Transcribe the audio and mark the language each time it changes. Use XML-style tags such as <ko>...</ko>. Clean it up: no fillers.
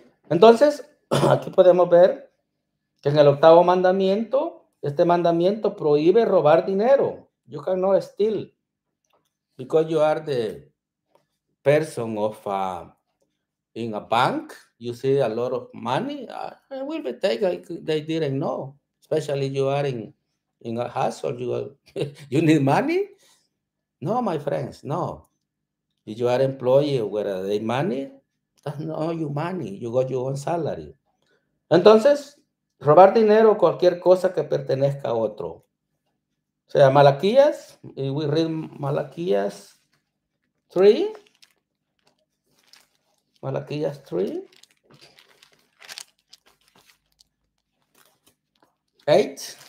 <es>Entonces, aquí podemos ver que en el octavo mandamiento, este mandamiento prohíbe robar dinero.</es> <en>You cannot steal because you are the person of in a bank, you see a lot of money, I will be taken, they didn't know. Especially you are in a hustle, you need money? No, my friends, no. If you are an employee, where are they money? That's not your money, you got your own salary.</en> <es>Entonces, robar dinero o cualquier cosa que pertenezca a otro. O sea, Malaquías,</es> <en>we read</en> <es>Malaquías 3. Malaquías 3, 8.</es>